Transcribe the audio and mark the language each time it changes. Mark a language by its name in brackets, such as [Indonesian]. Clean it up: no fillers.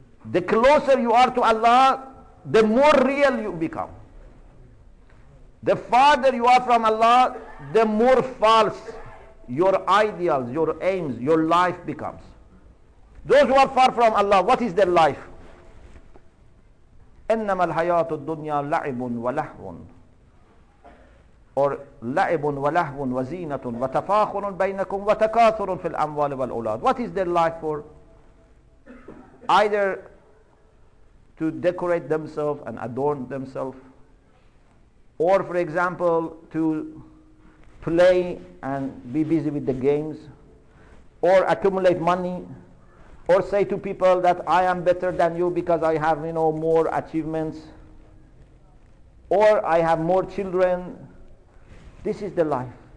[English] The closer you are to Allah, the more real you become. The farther you are from Allah, the more false your ideals, your aims, your life becomes. Those who are far from Allah, what is their life? [Arabic] إنما الحياة الدنيا لعب ولهو [English] or [Arabic] لعب ولهو وزينة وتفاخر بينكم وتكاثر في الأموال والأولاد. [English] What is their life for? Either to decorate themselves and adorn themselves, or for example to play and be busy with the games, or accumulate money, or say to people that I am better than you because I have, you know, more achievements, or I have more children. This is the life.